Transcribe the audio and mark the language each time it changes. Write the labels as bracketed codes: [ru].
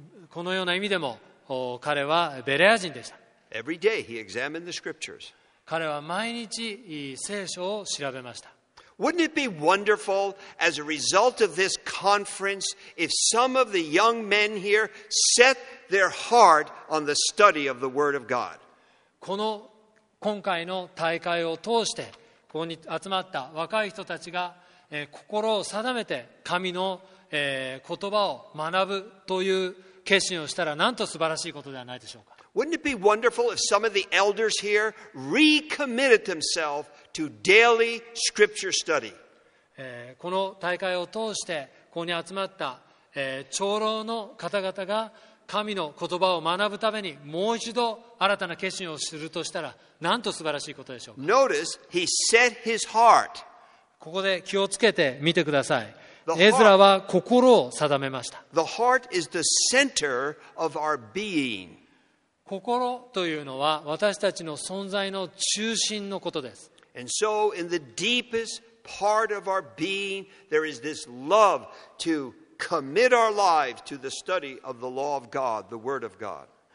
[ja] このような意味でも彼はベレア人でした。 [en] Every day he examined the scriptures. [ja] 彼は毎日聖書を調べました。 [en] Wouldn't it be wonderful as a result of this conference if some of the young men here set their heart on the study of the Word of God? [ja] この今回の大会を通してここに集まった若い人たちが心を定めて神の言葉を学ぶという決心をしたらなんと素晴らしいことではないでしょうか。 [en] Wouldn't it be wonderful if some of the elders here recommitted themselves to daily scripture study? [ja] この大会を通してここに集まった長老の方々が神の言葉を学ぶためにもう一度新たな決心をするとしたらなんと素晴らしいことでしょうか。 [en] Notice he set his heart. [ja] ここで気をつけてみてください。エズラは心を定めました。 [en] The heart is the center of our being. [ja] 心というのは私たちの存在の中心のことです。 [en] And so in the deepest part of our being there is this love to commit our lives to the study of the law of God, the word of God.